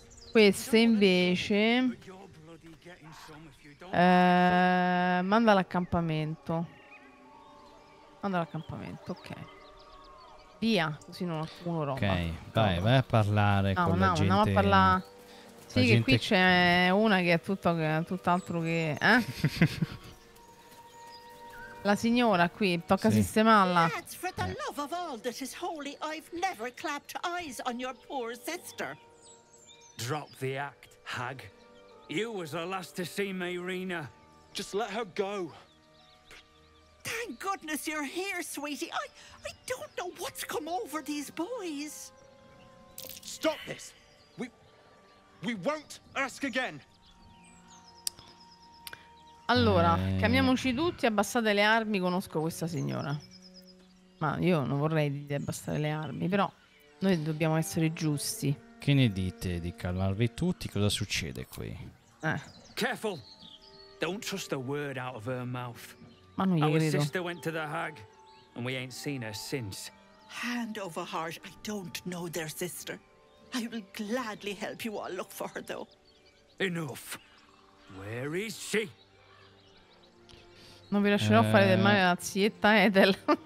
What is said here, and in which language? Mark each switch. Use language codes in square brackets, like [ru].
[it] Queste invece manda all'accampamento. Manda all'accampamento, ok. Via, così non accumulo roba. Ok, vai, vai a parlare con la gente. No, andiamo a parlare. Sì, che qui c'è una che è tutto, tutt'altro che... La signora qui, tocca sistemarla. [en] For the love of all that is holy, I've never clapped eyes on your poor sister. Drop the act, hag. You was the last to see me, Rena. Just let her go. Thank goodness you're here, sweetie. I don't know what's come over these boys. Stop this. We won't ask again. [it] Allora, chiamiamoci tutti, abbassate le armi. Conosco questa signora. Ma io non vorrei di abbassare le armi, però noi dobbiamo essere giusti. Che ne dite di calmarvi tutti? Cosa succede qui? [en] Careful! Don't trust a word out of her mouth. [it] Ma non io [en] our [it] credo. [en] Sister went to the hag, and we ain't seen her since. Hand over heart, I don't know their sister. I will gladly help you all look for her, though. Enough. Where is she? [it] Non vi lascerò fare del male alla zietta Edel.